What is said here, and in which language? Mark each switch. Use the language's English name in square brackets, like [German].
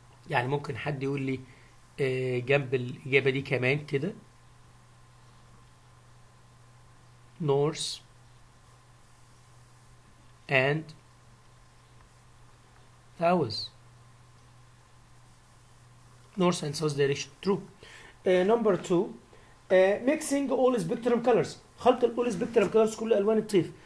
[Arabic] يعني ممكن حد يقول لي جنب الاجابه دي كمان كده نورث and south. [English] North and south direction. True. Number two, mixing all spectrum colors. [Arabic] خلط ال [English] all spectrum colors، [Arabic] كل ألوان الطيف.